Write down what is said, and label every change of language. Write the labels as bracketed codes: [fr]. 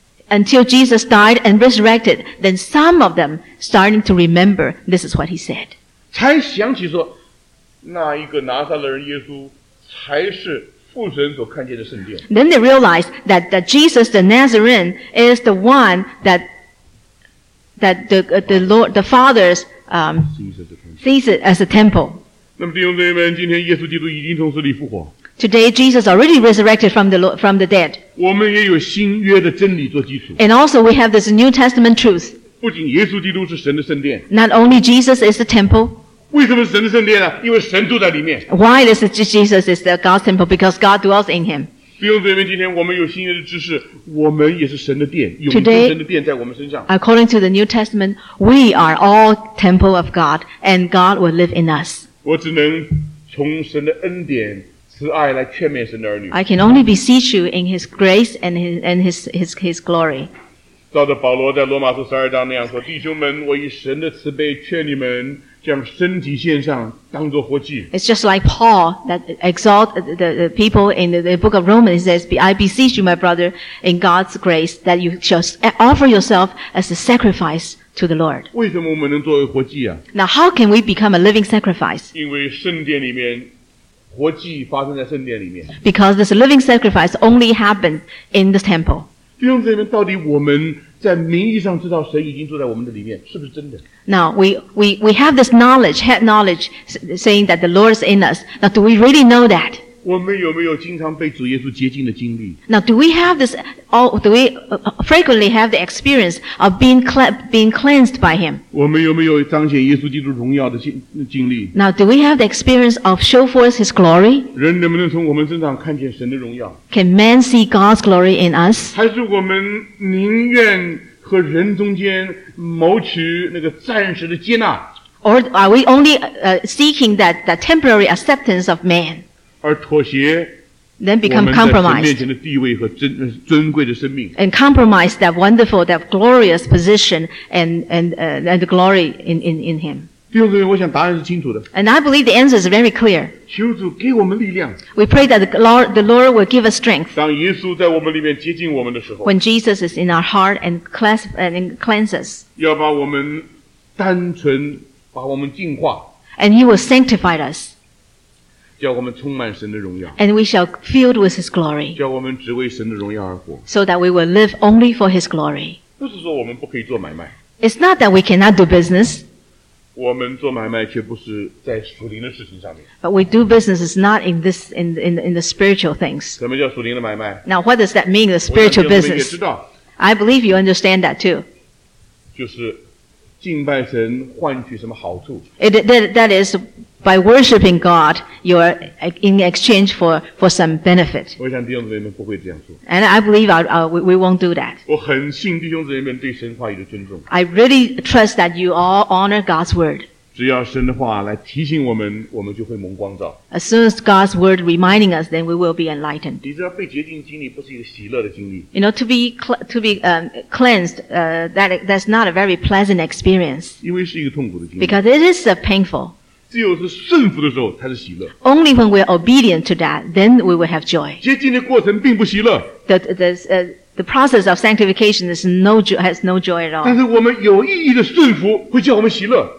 [en] Until Jesus died and resurrected, then some of them starting to remember this is what he said. [zh] 才想起说那一个拿撒勒人耶稣才是父神所看见的圣殿。 [en] Then they realized that Jesus the Nazarene is the one that the Lord the Father's sees it as a temple. [zh] 那么弟兄姊妹们，今天耶稣基督已经从死里复活。 [en] Today Jesus already resurrected from the dead. [zh] 我们也有新约的真理做基础。 [en] And also we have this New Testament truth. [zh] 不仅耶稣基督是神的圣殿。 [en] Not only Jesus is the temple. [zh] 为什么神的圣殿呢？因为神住在里面。 [en] Why is Jesus is the God's temple? Because God dwells in him. [zh] 弟兄姊妹，今天我们有新约的知识，我们也是神的殿，永生的殿在我们身上。 [en] Today, according to the New Testament, we are all temple of God, and God will live in us. [zh] 我只能从神的恩典慈爱来劝勉神的儿女。 [en] I can only beseech you in His grace and His glory. [zh] 照着保罗在罗马书十二章那样说，弟兄们，我以神的慈悲劝你们，将身体献上，当作活祭。 [en] It's just like Paul that exhort the people in the book of Romans. He says, "I beseech you, my brother, in God's grace, that you just offer yourself as a sacrifice to the Lord." [zh] 为什么我们能作为活祭啊 [en] ？Now, how can we become a living sacrifice? [zh] 因为圣殿里面。活祭发生在圣殿里面。 [en] Because this living sacrifice only happened in the temple. [zh] 弟兄姊妹，到底我们在名义上知道神已经住在我们的里面，是不是真的 [en] ？Now we have this knowledge, head knowledge, saying that the Lord is in us. Now do we really know that? [zh] 我们有没有经常被主耶稣洁净的经历 [en] ？Now do we have this? Do we frequently have the experience of being cleansed by Him? [zh] 我们有没有彰显耶稣基督荣耀的经历 [en] ？Now do we have the experience of show forth His glory? [zh] 人能不能从我们身上看见神的荣耀 [en] ？Can man see God's glory in us? [zh] 还是我们宁愿和人中间谋取那个暂时的接纳 [en] ？Or are we only seeking that temporary acceptance of man? [zh] 而妥协 [en] then become compromised. [zh] 我们在神面前的地位和尊贵的生命 [en] and compromise that wonderful, that glorious position and the glory in him. [zh] 弟兄姊妹，我想答案是清楚的 [en] and I believe the answer is very clear. [zh] 求主给我们力量 [en] we pray that the Lord will give us strength. [zh] 当耶稣在我们里面接近我们的时候 [en] when Jesus is in our heart and cleanses, [zh] 要把我们单纯把我们净化 [en] and he will sanctify us. [zh] 叫我们充满神的荣耀 [en] and we shall filled with His glory. [zh] 叫我们只为神的荣耀而活 [en] so that we will live only for His glory. [zh] 不是说我们不可以做买卖 [en] It's not that we cannot do business. [zh] 我们做买卖却不是在属灵的事情上面 [en] But we do business is not in this in the spiritual things. [zh] 什么叫属灵的买卖 [en] Now what does that mean, the spiritual business? [zh] 我想我们也知道 [en] I believe you understand that too. [zh] 就是敬拜神换取什么好处 [en] That is,By worshiping God, you are in exchange for some benefit. [zh] 我想弟兄姊妹们不会这样做。 [en] And I believe we won't do that. [zh] 我很信弟兄姊妹们对神话语的尊重。 [en] I really trust that you all honor God's word. [zh] 只要神的话来提醒我们，我们就会蒙光照。 [en] As soon as God's word reminding us, then we will be enlightened. [zh] 你知道被洁净经历不是一个喜乐的经历。 [en] You know, to be cleansed, that's not a very pleasant experience. [zh] 因为是一个痛苦的经历。 [en] Because it is painful. [zh] 只有是顺服的时候才是喜乐。 [en] Only when we are obedient to that, then we will have joy. [zh] 洁净的过程并不喜乐。 [en] The process of sanctification is has no joy at all. [zh] 但是我们有意义的顺服会叫我们喜乐。